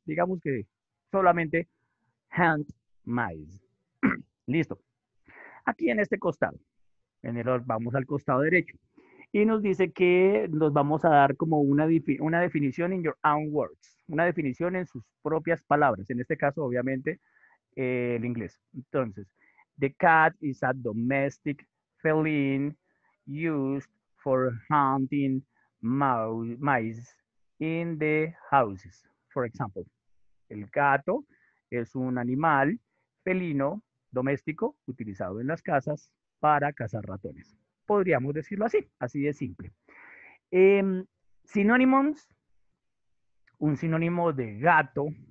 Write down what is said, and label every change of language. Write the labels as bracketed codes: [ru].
[es] Digamos que solamente [en] hunt mice. [es] Listo. Aquí en este costado, vamos al costado derecho. Y nos dice que nos vamos a dar como una definición [en] in your own words. [es] Una definición en sus propias palabras. En este caso, obviamente, el inglés. Entonces, [en] the cat is a domestic feline used for hunting mice in the houses. For example, [es] el gato es un animal felino doméstico utilizado en las casas para cazar ratones. Podríamos decirlo así, así de simple. Sinónimos, un sinónimo de gato.